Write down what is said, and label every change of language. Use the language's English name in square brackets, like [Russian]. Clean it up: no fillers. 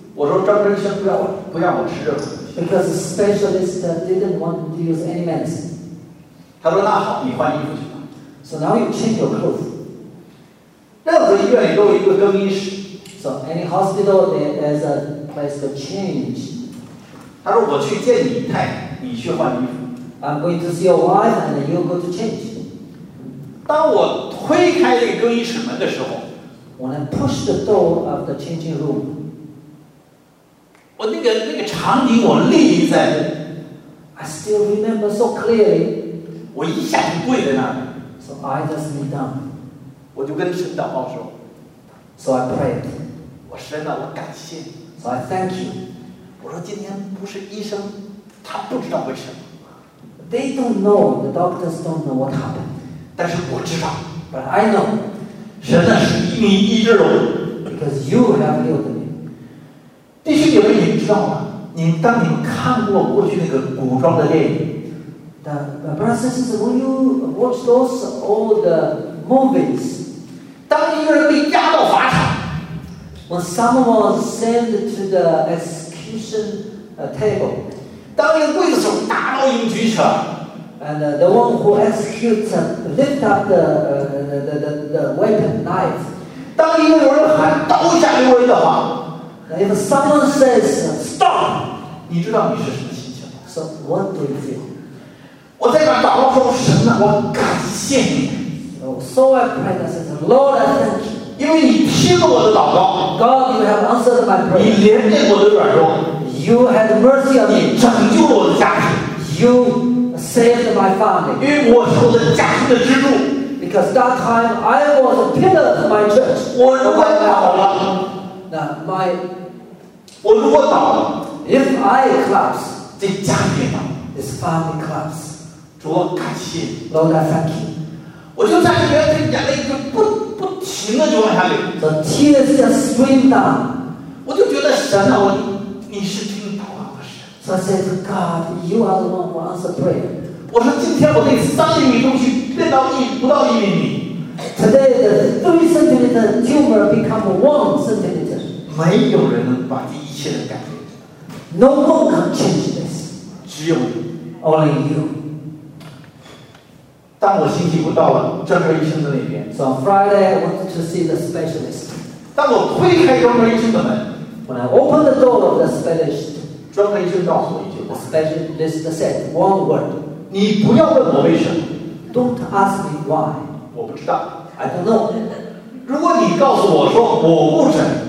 [Chinese] 我说张医生不让我吃任何。 [English] Because the specialist didn't want to use any medicine. [Chinese] 他说那好，你换衣服去吧。 [English] So now you change your clothes. [Chinese] 任何医院里都有一个更衣室。 [English] So any hospital, there's a place to change. [Chinese] 他说我去见你太太，你去换衣服。 [English] I'm going to see your wife, and you go to change. [Chinese] 当我推开这个更衣室门的时候 [English] ，When I push the door of the changing room, [Chinese] 我那个场景我历历在目。 [English] I still remember so clearly. [Chinese] 我一下就跪在那里。 [English] So I just kneel down. [Chinese] 我就跟神祷告说。 [English] So I prayed. [Chinese] 我神啊，我感谢。 [English] So I thank you. [Chinese] 我说今天不是医生，他不知道为什么。 [English] They don't know. The doctors don't know what happened. [Chinese] 但是我知道。 [English] But I know. [Chinese] 神啊，是你医治我。 [English] Because you have healed me. [Chinese] 弟兄姐妹，你们知道吗？当你们看过过去那个古装的电影 [English] ，The brothers, when you watch those old movies. [Chinese] 当一个人被押到法场 [English] ，When someone was sent to the execution table， [Chinese] 当一个刽子手大刀已经举起来 [English] ，And the one who executes lift up the weapon knife， [Chinese] 当一个有人喊刀下留人的话 [English] ，If someone says stop， [Chinese] 你知道你是什么心情 [English] ？So what do you feel？ [Chinese] 我在那祷告说：“神啊，我感谢你。” [English] So I pray that says, Lord, I thank you. [Chinese] 因为你听了我的祷告 [English] God, you have answered my prayer. [Chinese] 你怜悯我的软弱 [English] You had mercy on me. [Chinese] 你拯救了我的家庭 [English] You saved my family. [Chinese] 因为我是我的家庭的支柱 [English] Because that time I was a pillar of my church. [Chinese] 我如果倒了 [English] Now my [Chinese] 我如果倒了 [English] If I collapse, [Chinese] 这家庭倒 [English] This family collapse. [Chinese] 主我感谢 [English] Lord, I thank you. [Chinese] 我就在里面，眼泪就不停的就往下流。 [English] The tears just stream down。 [Chinese] 我就觉得神啊，你是听祷告的神。 [English] So I said, God, you are the one who answers prayer。 [Chinese] 我说今天我那3厘米东西变到不到1厘米。 [English] Today the 3-centimeter tumor become 1-centimeter。 [Chinese] 没有人能把这一切的改变。 [English] No one can change this。 [Chinese] 只有你。 [English] Only you。 [Chinese] 但我星期五到了专科医生的那边。 [English] So Friday I went to see the specialist. [Chinese] 当我推开专科医生的门 [English] ，When I opened the door of the specialist, [Chinese] 专科医生告诉我一句话 [English] ，The specialist said one word. [Chinese] 你不要问我为什么。 [English] Don't ask me why. [Chinese] 我不知道。 [English] I don't know. [Chinese] 如果你告诉我说我误诊